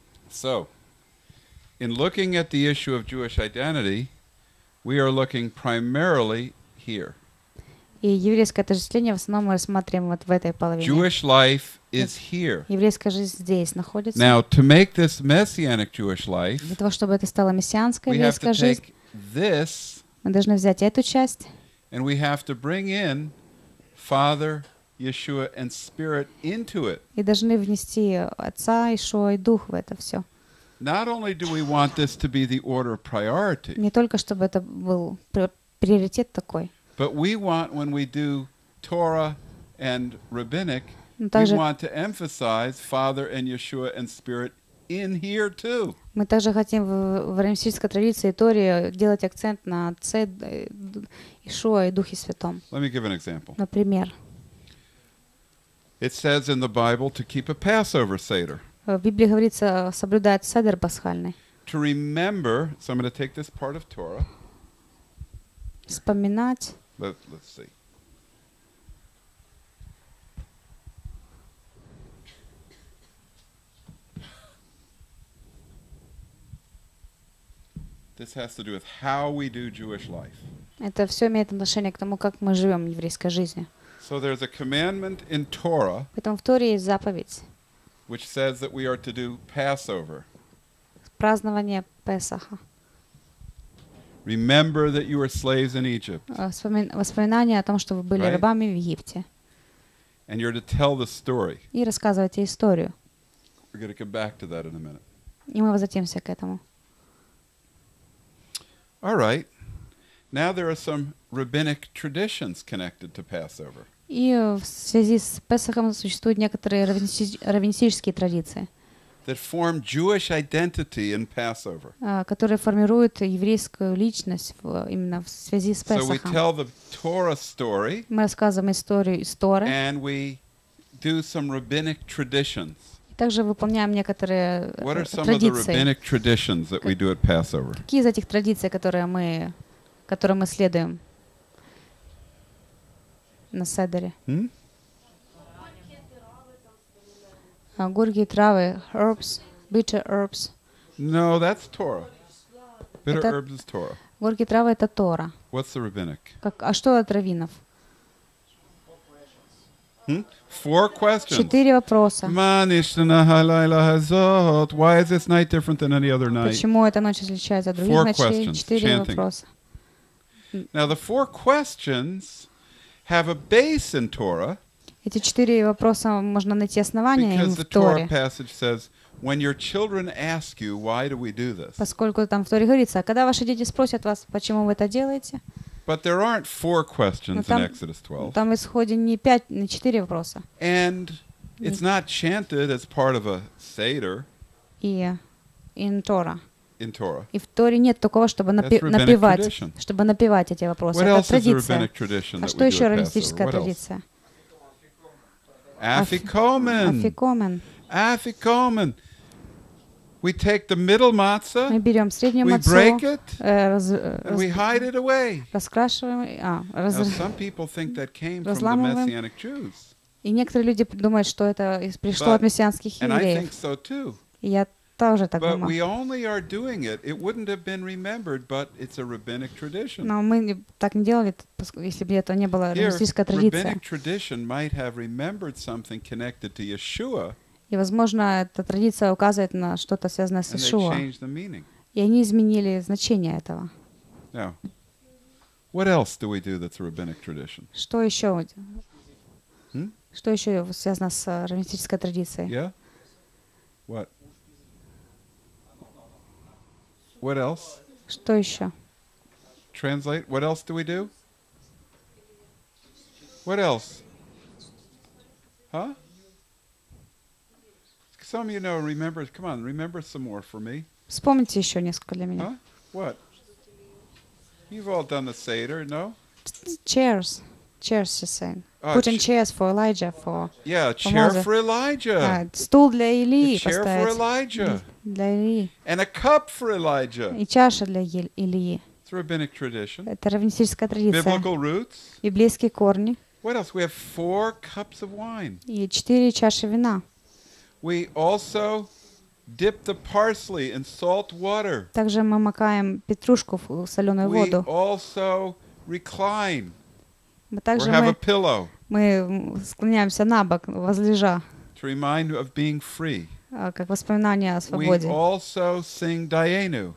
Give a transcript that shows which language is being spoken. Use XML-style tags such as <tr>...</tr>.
<en>So, in looking at the issue of Jewish identity, we are looking primarily here.</en> <ru>И еврейское отождествление в основном мы рассматриваем вот в этой половине.</ru> <en>Jewish life is here.</en> <ru>Еврейская жизнь здесь находится.</ru> <en>Now, to make this messianic Jewish life,</en> <ru>для того чтобы это стало мессианской еврейской жизнью, мы должны взять эту часть.</ru> <en>And we have to bring in Father, Yeshua and Spirit into it.</en> <ru>И должны внести Отца, Иешуа и Дух в это все.</ru> <en>Not only do we want this to be the order of priority.</en> <ru>Не только чтобы это был приоритет такой.</ru> <en>But we want when we do Torah and Rabbinic, we want to emphasize Father and Yeshua and Spirit in here too.</en> <ru>Мы также хотим в раввинической традиции Торе делать акцент на Отце, Иешуа и Духе Святом.</ru> <en>Let me give an example.</en> <ru>Например,</ru> <en>it says in the Bible to keep a Passover Seder.</en> <ru>В Библии говорится соблюдать седер пасхальный.</ru> <en>To remember, so I'm going to take this part of Torah.</en> <ru>Вспоминать.</ru> <en>Let's see. This has to do with how we do Jewish life.</en> <ru>Это все имеет отношение к тому, как мы живем еврейской жизнью.</ru> <en>So there's a commandment in Torah.</en> <ru>Поэтому в Торе есть заповедь.</ru> <en>Which says that we are to do Passover.</en> <ru>Празднование Песаха.</ru> <en>Remember that you were slaves in Egypt.</en> <ru>Воспоминание о том, что вы были рабами в Египте.</ru> <en>And you're to tell the story.</en> <ru>И рассказывайте историю.</ru> <en>We're going to come back to that in a minute.</en> <ru>И мы возвратимся к этому.</ru> <en>All right. Now there are some rabbinic traditions connected to Passover.</en> <ru>И в связи с Песахом существуют некоторые раввинистические традиции.</ru> <en>That form Jewish identity in Passover.</en> <ru>Которые формируют еврейскую личность именно в связи с Песахом.</ru> <en>So we tell the Torah story.</en> <ru>Мы рассказываем историю из Торы.</ru> <en>And we do some rabbinic traditions.</en> <ru>Также выполняем некоторые традиции.</ru> <en>What are some of the rabbinic traditions that we do at Passover?</en> <ru>Какие из этих традиций, которые мы следуем на седере? Горькие травы,</ru> <en>herbs, bitter herbs. No, that's Torah. Bitter herbs is Torah.</en> <ru>Горькие травы — это Тора.</ru> <en>What's the rabbinic?</en> <ru>А что от раввинов?</ru> <en>Four questions.</en> <ru>Четыре вопроса.</ru> <he>Манишна халайла хазот.</he> <en>Why is this night different than any other night?</en> <ru>Почему эта ночь отличается от других</ru> <en>four</en> <ru>ночей?</ru> <en>Questions.</en> <ru>Четыре</ru> <en>Chanting.</en> <ru>Вопроса.</ru> <en>Now the four questions have a base in Torah.</en> <ru>Эти четыре вопроса можно найти основание им в Торе.</ru> <en>Because the Torah passage says, when your children ask you, why do we do this?</en> <ru>Поскольку там в Торе говорится, а когда ваши дети спросят вас, почему вы это делаете?</ru> <en>But there aren't four questions in Exodus 12.</en> <ru>Там в исходе не пять, не четыре вопроса.</ru> <en>And it's not chanted as part of a seder. In Torah.</en> <ru>И в Торе нет такого, чтобы напевать эти вопросы.</ru> <en>What</en> <ru>это</ru> <en>else</en> <ru>традиция.</ru> <en>Is a rabbinic tradition</en> <ru>а что еще раввинистическая традиция?</ru> <en>Afikomen. Afikomen. We take the middle matzah.</en> <ru>Мы берем среднюю</ru> <en>матцу. We break it. And we hide it away.</en> <ru>Раскрашиваем.</ru> <en>Some people think that came from the messianic Jews.</en> <ru>И некоторые люди думают, что это пришло от мессианских евреев.</ru> <en>And I think so too.</en> <ru>Я тоже так думаю.</ru> <en>But we only are doing it. It wouldn't have been remembered, but it's a rabbinic tradition.</en> <ru>Но мы так не делали, если бы это не было раввинистической традицией.</ru> <en>Here, rabbinic tradition might have remembered something connected to Yeshua.</en> <ru>И, возможно, эта традиция указывает на что-то, связанное с Ишуа. И они изменили значение этого.</ru> <en>Now, what else do we do that's a rabbinic tradition?</en> <ru>Что еще? Что еще связано с раввинистической традицией?</ru> <en>Yeah? What? What else? Что еще? Translate. What else do we do? What else? Huh? Some of you know, remember, come on, remember some more for me.</en> <ru>Вспомните еще несколько для меня.</ru> <en>What? You've all done the Seder, no? Chairs. Chairs, she's saying. Putting chairs for Elijah. Yeah, a chair for Elijah.</en> <ru>Стул для Ильи поставить.</ru> <en>A chair for Elijah.</en> <ru>Для Ильи.</ru> <en>And a cup for Elijah.</en> <ru>И чаша для Ильи.</ru> <en>It's a rabbinic tradition.</en> <ru>Это раввинистическая традиция.</ru> <en>Biblical roots.</en> <ru>Библейские корни.</ru> <en>What else? We have four cups of wine.</en> <ru>И четыре чаши вина.</ru> <en>We also dip the parsley in salt water.</en> <ru>Также мы макаем петрушку в соленую воду.</ru> <en>We also recline.</en> <ru>Мы также</ru> <en>have a pillow.</en> <ru>Мы склоняемся на бок, возлежа.</ru> <en>To remind of being free.</en> <ru>Как воспоминание о свободе.</ru> <en>We also sing Dayenu.</en>